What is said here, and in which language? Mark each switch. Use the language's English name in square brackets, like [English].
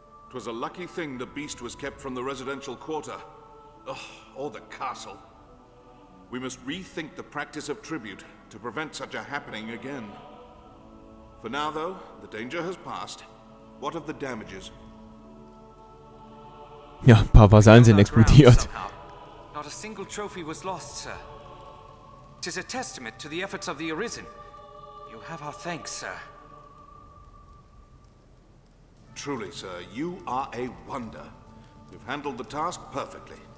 [English] 'Twas a lucky thing the beast was kept from the residential quarter. Ugh, or the castle. We must rethink the practice of tribute to prevent such a happening again. For now, though, the danger has passed. What of the damages? [German] Ja, ein paar Vasallen sind explodiert. [English] Not a single trophy was lost, sir. 'Tis a testament to the efforts of the Arisen. You have our thanks, sir. Truly, sir, you are a wonder. You've handled the task perfectly.